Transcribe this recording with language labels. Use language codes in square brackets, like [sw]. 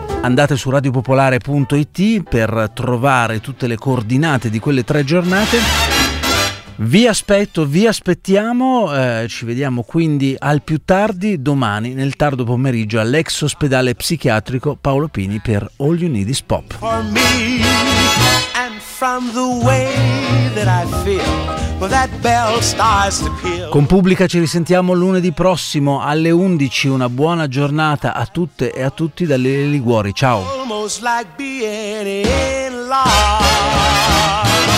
[it] Andate su radiopopolare.it per trovare tutte le coordinate di quelle tre giornate. Vi aspetto, vi aspettiamo, ci vediamo quindi al più tardi domani nel tardo pomeriggio all'ex ospedale psichiatrico Paolo Pini per All You Need Is Pop. [en] For me, and from the way that I feel. [it] Con Pubblica ci risentiamo lunedì prossimo alle 11. Una buona giornata a tutte e a tutti da Lele Liguori. Ciao.